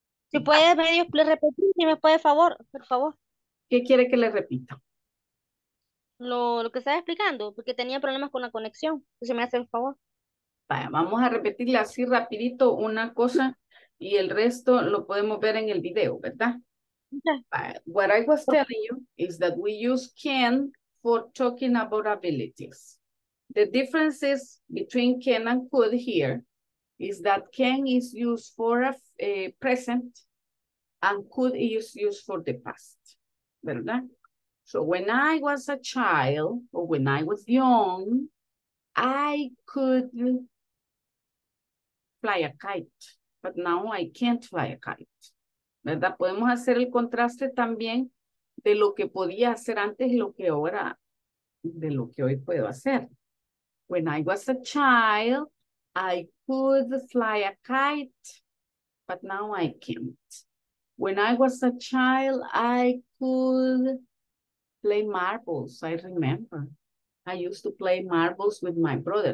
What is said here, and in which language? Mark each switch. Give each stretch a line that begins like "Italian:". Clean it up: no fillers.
Spanish: Si puede, medio, le repito, si me puede, favor, por favor. ¿Qué quiere que le repita? Lo que estaba explicando, porque tenía problemas con la conexión. Si me hace el favor. Vaya, vamos a repetirle así rapidito una cosa y el resto lo podemos ver en el video, ¿verdad?
English: What I was telling you is that we use can for talking about abilities. The differences between can and could here is that can is used for a present and could is used for the past,
Spanish: ¿verdad?
English: So when I was a child or when I was young, I could fly a kite, but now I can't fly a kite,
Spanish: ¿verdad? Podemos hacer el contraste también de lo que podía hacer antes y lo que ahora, de lo que hoy puedo hacer.
English: When I was a child, I could fly a kite, but now I can't. When I was a child, I could play marbles, I remember. I used to play marbles with my brother.